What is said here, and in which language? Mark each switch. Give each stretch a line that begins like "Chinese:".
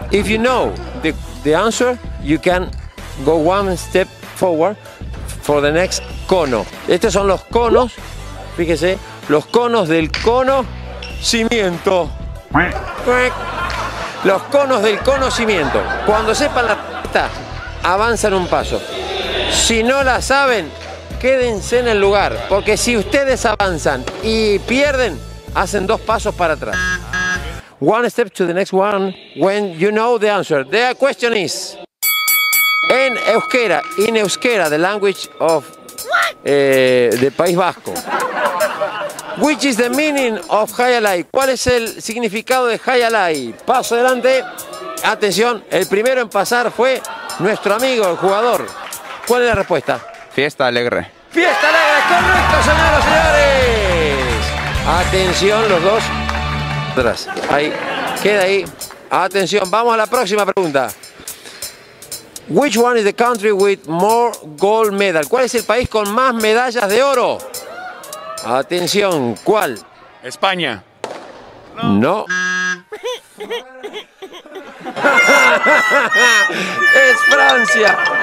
English: If you know the answer, you can go one step forward for the next cono.
Spanish: Estos son los conos, fíjese, los conos del conocimiento. Los conos del conocimiento. Cuando sepan la pista, avanzan un paso. Si no la saben, quédense en el lugar, porque si ustedes avanzan y pierden, hacen dos pasos para atrás.
English: One step to the next one when you know the answer. The question is, in euskera, the language of the País Vasco, which is the meaning of Hayalai?
Spanish: ¿Cuál es el significado de Hayalai? Paso adelante, atención, el primero en pasar fue nuestro amigo, el jugador. ¿Cuál es la respuesta? Fiesta alegre. ¡Fiesta alegre! ¡Correcto, señoras y señores! Atención, los dos. Atrás. Ahí, queda ahí. Atención, vamos a la próxima pregunta.
English: Which one is the country with more gold medal?
Spanish: ¿Cuál es el país con más medallas de oro? Atención, ¿cuál? España. No. Es Francia.